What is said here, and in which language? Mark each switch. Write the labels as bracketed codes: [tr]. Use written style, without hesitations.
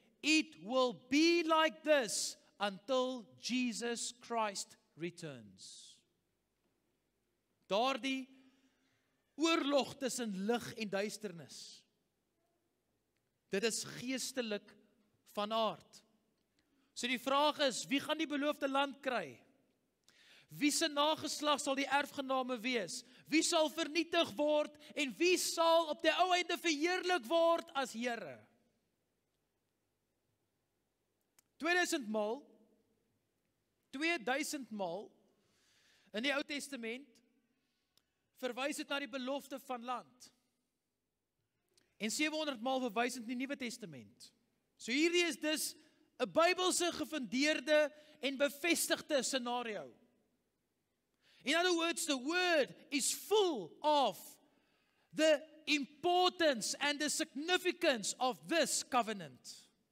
[en] It will be like this until Jesus Christ returns. [af] Daardie oorlog tussen lig en duisternis. Dit is geestelik van aard. So die vraag is, wie gaan die beloofde land kry? Wie se nageslag sal die erfgename wees? Wie sal vernietig word en wie sal op die ou einde verheerlik word as Here? 2000 maal, 2000 maal in die Ou Testament verwys dit na die belofte van land. En 700 maal verwys dit in die Nuwe Testament. So hierdie is dus 'n Bybelse gefundeerde en bevestigde scenario. [en] In other words, the word is full of the importance and the significance of this covenant.